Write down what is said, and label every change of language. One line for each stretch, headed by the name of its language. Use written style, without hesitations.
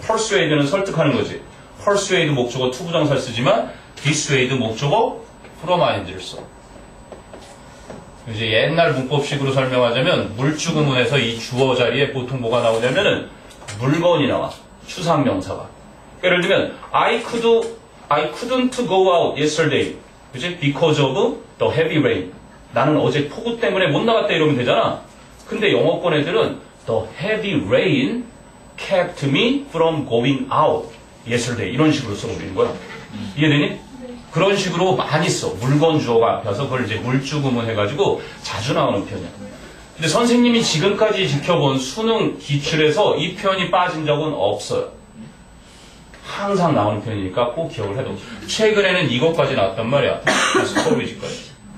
Korean: persuade는 설득하는 거지. persuade 목적어 to 부정사를 쓰지만 dissuade 목적어 from ing를 써. 이제 옛날 문법식으로 설명하자면 물주구문에서 이 주어 자리에 보통 뭐가 나오냐면은 물건이 나와. 추상 명사가.
English: 예를 들면 I couldn't go out yesterday.
Korean: 그치?
English: Because of the heavy rain.
Korean: 나는 어제 폭우 때문에 못 나갔다 이러면 되잖아. 근데 영어권 애들은
English: the heavy rain kept me from going out yesterday.
Korean: 이런 식으로 써버리는 거야. 이해되니? 그런 식으로 많이 써. 물건 주어가 앞에서 그걸 이제 물주구문 해가지고 자주 나오는 표현이야. 근데 선생님이 지금까지 지켜본 수능 기출에서 이 표현이 빠진 적은 없어요. 항상 나오는 표현이니까 꼭 기억을 해도. 최근에는 이것까지 나왔단 말이야. 스토리지까지.